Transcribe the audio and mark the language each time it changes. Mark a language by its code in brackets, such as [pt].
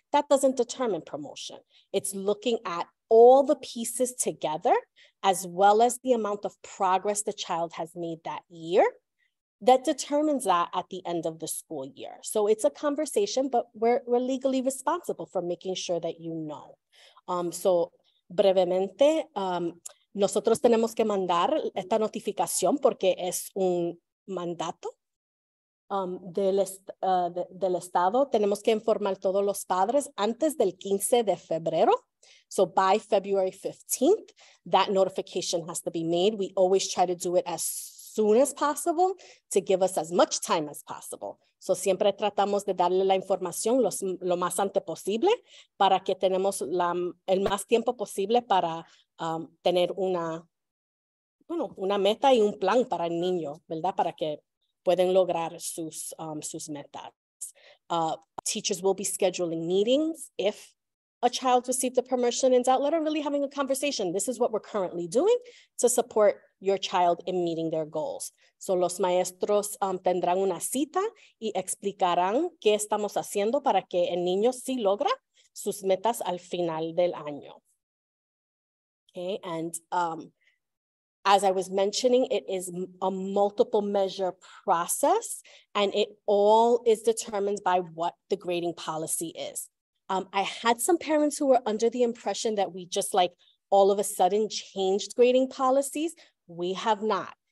[en] That doesn't determine promotion. It's looking at all the pieces together, as well as the amount of progress the child has made that year, that determines that at the end of the school year. So it's a conversation, but we're legally responsible for making sure that you know. [es] So brevemente, nosotros tenemos que mandar esta notificación porque es un mandato del estado. Tenemos que informar todos los padres antes del 15 de febrero. [en] So by February 15th, that notification has to be made. We always try to do it as soon as possible to give us as much time as possible. [es] So siempre tratamos de darle la información lo más antes posible para que tenemos el más tiempo posible para tener una meta y un plan para el niño, ¿verdad? Para que pueden lograr sus metas. [en] Teachers will be scheduling meetings if a child received a promotion in doubt letter, really having a conversation. This is what we're currently doing to support your child in meeting their goals. [es] So los maestros tendrán una cita y explicarán qué estamos haciendo para que el niño sí logra sus metas al final del año. [en] Okay, and as I was mentioning, it is a multiple measure process, and it all is determined by what the grading policy is. I had some parents who were under the impression that we just like all of a sudden changed grading policies. We have not.